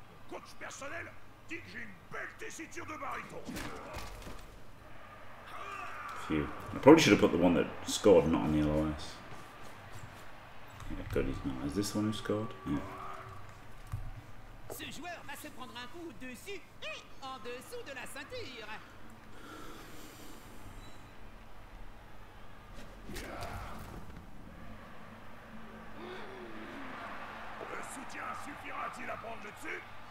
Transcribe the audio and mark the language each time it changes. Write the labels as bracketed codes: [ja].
[fr] Coach personnel dit que j'ai une belle tessiture de baryton. Phew. [en] I probably should have put the one that scored, not on the LOS. Yeah, good, he's not. Is this the one who scored? Yeah. [fr] Ce joueur va se prendre un coup dessus et en dessous de la ceinture. Le soutien suffira-t-il à prendre le dessus?